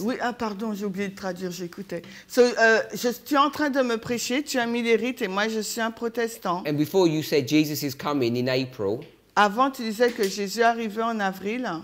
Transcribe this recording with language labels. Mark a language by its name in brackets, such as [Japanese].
[French] Oui, ah pardon, j'ai oublié de traduire, j'écoutais. Tu es en train de me prêcher, tu as mis les rites et moi je suis un protestant. [English] And before you said Jesus is coming in April. [French] Avant tu disais que Jésus arrivait en avril.